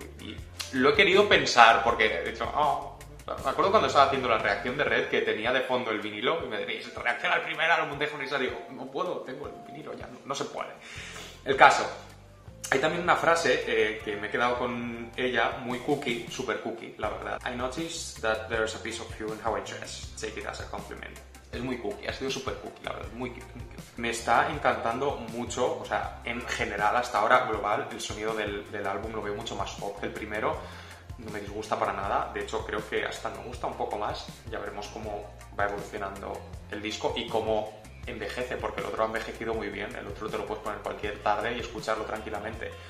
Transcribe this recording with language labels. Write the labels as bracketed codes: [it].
[es] Y lo he querido pensar porque he dicho, oh, me acuerdo cuando estaba haciendo la reacción de Red que tenía de fondo el vinilo y me diréis, reacciona al primer álbum de Honey Star. Digo, no puedo, tengo el vinilo ya, no se puede. El caso, hay también una frase que me he quedado con ella, muy cookie, super cookie, la verdad. [en] I noticed that there's a piece of you in how I dress. Take it as a compliment. [es] Es muy cookie, ha sido super cookie, la verdad, muy cute. Me está encantando mucho, o sea, en general, hasta ahora, global, el sonido del álbum lo veo mucho más pop que el primero. No me disgusta para nada, de hecho, creo que hasta me gusta un poco más. Ya veremos cómo va evolucionando el disco y cómo envejece, porque el otro ha envejecido muy bien, el otro te lo puedes poner cualquier tarde y escucharlo tranquilamente.